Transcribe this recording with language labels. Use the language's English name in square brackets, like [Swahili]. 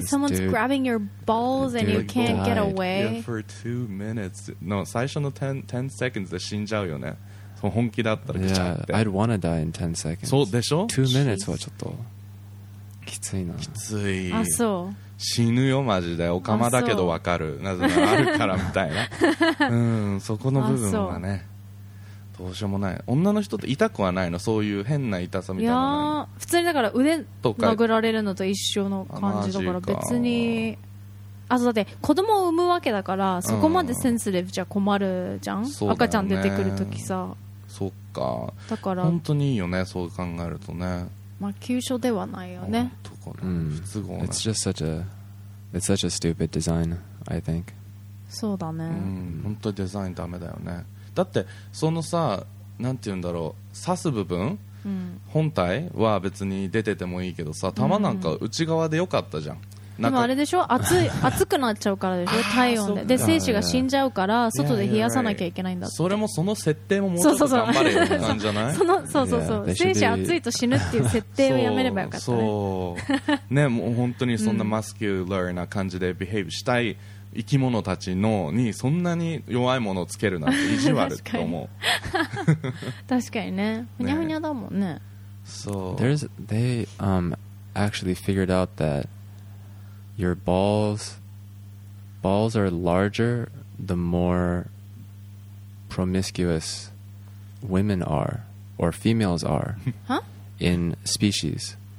[English] Yeah, someone's dude, grabbing your balls and you can't get away. Yeah, for 2 minutes. No, [Japanese] 最初の [English] 10 seconds [Japanese] で死んじゃうよね。そう、本気だったら来ちゃって。 [English] Yeah, I'd want to die in 10 seconds. [Japanese] そうでしょ？ [English] 2 minutes [Japanese] はちょっときついな。きつい。あ、そう。死ぬよマジで。オカマだけどわかる、なぜならあるからみたいな。そこの部分がね、どうしようもない。女の人って痛くはないの？そういう変な痛さみたいなの。いや、普通にだから腕とか殴られるのと一緒の感じだから別に。あ、そうだって子供を産むわけだからそこまでセンスレブじゃ困るじゃん、うん、赤ちゃん出てくるときさ。そっか、だから本当にいいよねそう考えるとね。まあ、急所ではないよね。とかね、不都合な。 [English] It's just such a, it's such a stupid design, I think. [Japanese] そうだね。本当にデザインダメだよね。だってそのさ、なんていうんだろう、刺す部分、うん、本体は別に出ててもいいけどさ、玉なんか内側でよかったじゃん。でもあれでしょ、熱くなっちゃうからでしょ、体温で、で精子が死んじゃうから外で冷やさなきゃいけないんだって。それもその設定ももうちょっと頑張れよなんじゃない。そ, のそうそうそう、精子熱いと死ぬっていう設定をやめればよかった ね, そうそうね。もう本当にそんなマスキュラーな感じでビヘイブしたい生き物たちのにそんなに弱いものをつけるなんて意地悪と思う。確かにね、ふにゃふにゃだもん ね, ね。そう、 [English] There's, they、actually figured out thatYour balls are larger the more promiscuous women are or females are in species.